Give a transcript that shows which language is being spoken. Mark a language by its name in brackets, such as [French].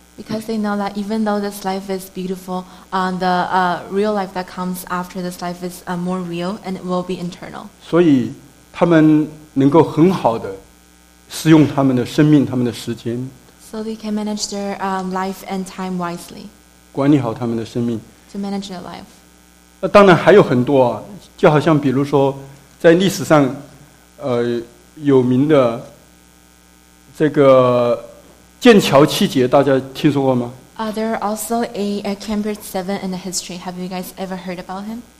[English] Because they know that even though this life is beautiful, the real life that comes after this life is more real and it will be eternal. [Chinese] 所以他们能够很好地使用他们的生命、他们的时间。 [English] So they can manage their life and time wisely. [Chinese] 管理好他们的生命。 [English] To manage their life. [Chinese] 当然还有很多，就好像比如说，在历史上，有名的这个。剑桥七杰，大家听说过吗？ [English] There are also a Cambridge Seven in the history. Have you guys ever heard about him?